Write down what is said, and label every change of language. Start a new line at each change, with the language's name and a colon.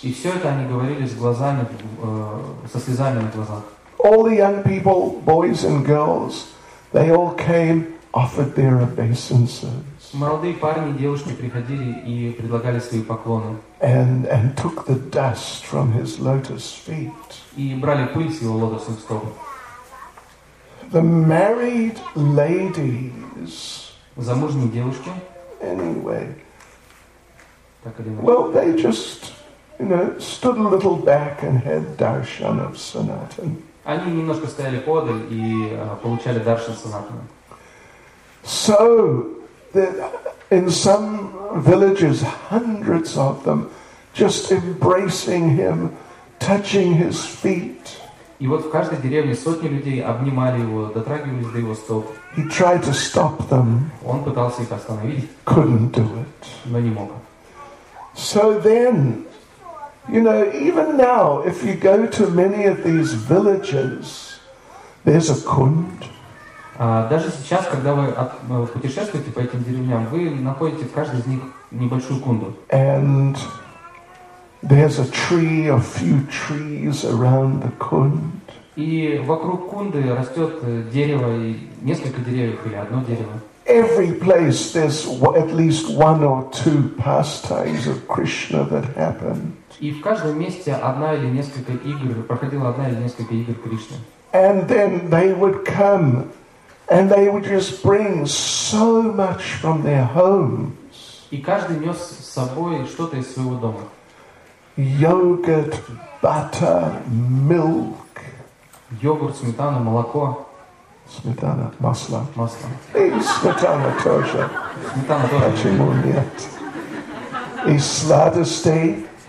Russian: И все это они говорили с глазами, со слезами на глазах.
English: All the young people, boys and girls, they all came, offered their obeisances.
Russian: Молодые парни и девушки приходили и предлагали свои поклоны.
English: And took the dust from his lotus feet.
Russian: И брали пыль с его лотосных стоп.
English: The married ladies.
Russian: Замужние девушки.
English: Anyway. Well, they just, you know, stood a little back and had darshan of Sanatan.
Russian: Они немножко стояли подаль и получали даршан Санатана.
English: So, in some villages, hundreds of them just embracing him, touching his feet.
Russian: И вот в каждой деревне сотни людей обнимали его, дотрагивались до его стоп.
English: He tried to stop them.
Russian: Он пытался их остановить.
English: Couldn't do it.
Russian: Но не мог.
English: So then, you know, even now, if you go to many of these villages, there's a kund.
Russian: Даже сейчас, когда вы путешествуете по этим деревням, вы находите в каждой из них небольшую кунду.
English: And there's a tree, a few trees around the kund.
Russian: И вокруг кунды растет дерево, и несколько деревьев или одно дерево.
English: Every place there's at least one or two pastimes of Krishna that happened.
Russian: И в каждом месте одна или несколько игр проходила, одна или несколько игр Кришны.
English: And then they would come, and they would just bring so much from their homes.
Russian: И каждый нес с собой что-то из своего дома.
English: Yogurt, butter, milk.
Russian: Йогурт, сметана, молоко. Сметана, масло. Масло. И сметана тоже. Сметана тоже. Почему нет? И сладостей.